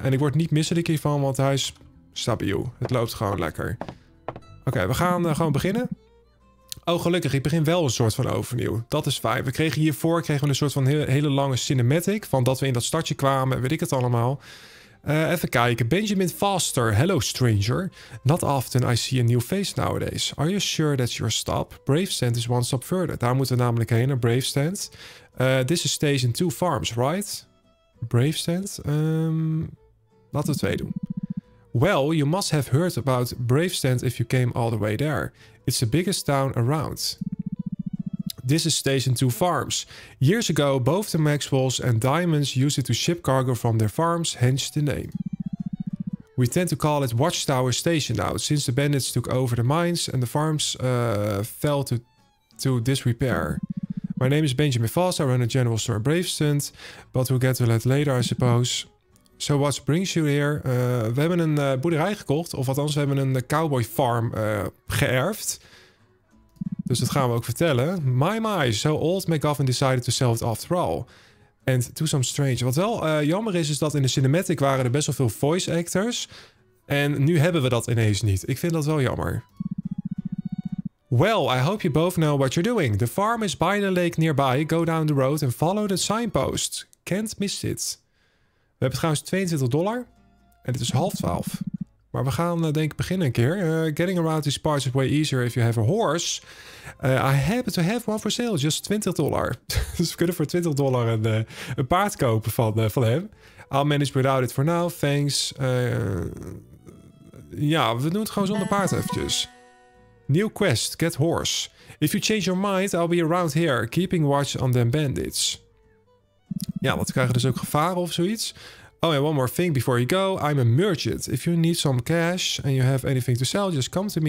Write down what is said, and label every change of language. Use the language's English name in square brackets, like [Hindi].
[Dutch] En ik word niet misselijk hiervan, want hij is stabiel. Het loopt gewoon lekker. Oké, we gaan gewoon beginnen. Oh, gelukkig. Ik begin wel een soort van overnieuw. Dat is fijn. We kregen hiervoor een soort van hele lange cinematic. Van dat we in dat stadje kwamen. Weet ik het allemaal. Even kijken. Benjamin Foster. [English] Hello, stranger. Not often I see a new face nowadays. Are you sure that's your stop? Brave Stand is one stop further. [Dutch] Daar moeten we namelijk heen, naar Brave Stand. [English] This is Station 2 Farms, right? Brave Stand? [Dutch] Laten we 2 doen. [English] Well, you must have heard about Bravestand if you came all the way there. It's the biggest town around. This is Station 2 Farms. Years ago, both the Maxwells and Diamonds used it to ship cargo from their farms, hence the name. We tend to call it Watchtower Station now, since the bandits took over the mines and the farms fell to disrepair. My name is Benjamin Foss, I run a general store at Bravestand, but we'll get to that later, I suppose. So what brings you here? [Dutch] We hebben een boerderij gekocht. Of althans, we hebben een cowboy farm geërfd. Dus dat gaan we ook vertellen. [English] My, so old McGuffin decided to sell it after all. And to some strange. [Dutch] Wat wel jammer is dat in de cinematic waren er best wel veel voice actors. En nu hebben we dat ineens niet. Ik vind dat wel jammer. [English] Well, I hope you both know what you're doing. The farm is by the lake nearby. Go down the road and follow the signpost. Can't miss it. [Dutch] We hebben trouwens $22 en het is 11:30. Maar we gaan denk ik beginnen een keer. [English] Getting around these parts is way easier if you have a horse. I happen to have one for sale, just $20. [Dutch] Dus we kunnen voor $20 een paard kopen van hem. [English] I'll manage without it for now, thanks. [Dutch] We doen het gewoon zonder paard eventjes. [English] New quest, get horse. If you change your mind, I'll be around here, keeping watch on them bandits. [Dutch] Ja, want we krijgen dus ook gevaren of zoiets. [English] Oh, and one more thing before you go. I'm a merchant. If you need some cash and you have anything to sell, just come to me.